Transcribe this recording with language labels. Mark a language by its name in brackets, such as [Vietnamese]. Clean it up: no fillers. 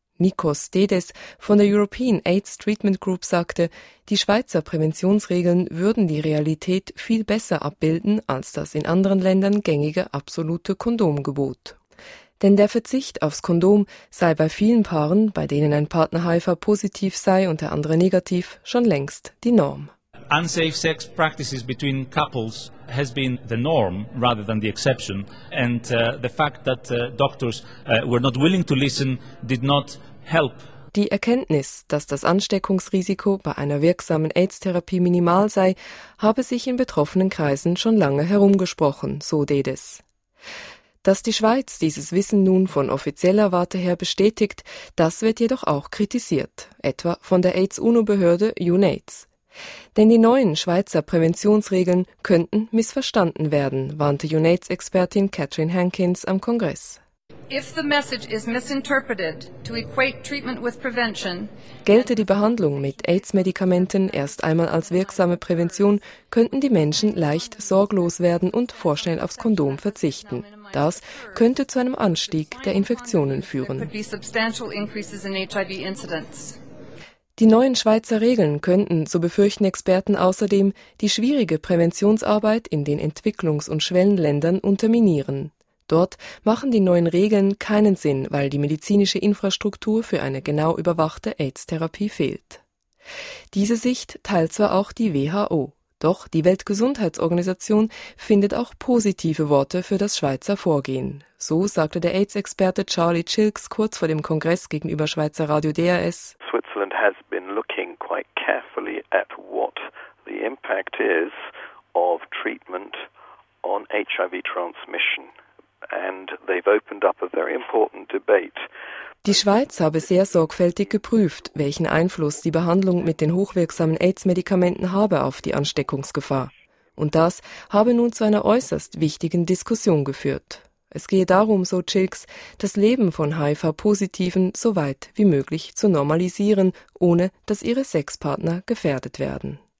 [German] Nikos Dedes von der European AIDS Treatment Group sagte, die Schweizer Präventionsregeln würden die Realität viel besser abbilden als das in anderen Ländern gängige absolute Kondomgebot. Denn der Verzicht aufs Kondom sei bei vielen Paaren, bei denen ein Partner HIV positiv sei und der andere negativ, schon längst die Norm. [English] Unsafe sex practices between couples has been the norm rather than the exception, and the fact that doctors were not willing to listen did not help. [German] Die Erkenntnis, dass das Ansteckungsrisiko bei einer wirksamen AIDS-Therapie minimal sei, habe sich in betroffenen Kreisen schon lange herumgesprochen, so Dedes. Dass die Schweiz dieses Wissen nun von offizieller Warte her bestätigt, das wird jedoch auch kritisiert, etwa von der AIDS-UNO-Behörde UNAIDS. Denn die neuen Schweizer Präventionsregeln könnten missverstanden werden, warnte UNAIDS-Expertin Catherine Hankins am Kongress. [English] If the message is misinterpreted to equate treatment with prevention, [German] gelte die Behandlung mit AIDS-Medikamenten erst einmal als wirksame Prävention, könnten die Menschen leicht sorglos werden und vorschnell aufs Kondom verzichten. Das könnte zu einem Anstieg der Infektionen führen. Die neuen Schweizer Regeln könnten, so befürchten Experten außerdem, die schwierige Präventionsarbeit in den Entwicklungs- und Schwellenländern unterminieren. Dort machen die neuen Regeln keinen Sinn, weil die medizinische Infrastruktur für eine genau überwachte AIDS-Therapie fehlt. Diese Sicht teilt zwar auch die WHO, doch die Weltgesundheitsorganisation findet auch positive Worte für das Schweizer Vorgehen. So sagte der AIDS-Experte Charlie Chilks kurz vor dem Kongress gegenüber Schweizer Radio DRS. [English] Switzerland has been looking quite carefully at what the impact is of treatment on HIV transmission. And they've opened up a very important debate. [German] Die Schweiz habe sehr sorgfältig geprüft, welchen Einfluss die Behandlung mit den hochwirksamen AIDS-Medikamenten habe auf die Ansteckungsgefahr. Und das habe nun zu einer äußerst wichtigen Diskussion geführt. Es gehe darum, so Chilks, das Leben von HIV-Positiven so weit wie möglich zu normalisieren, ohne dass ihre Sexpartner gefährdet werden.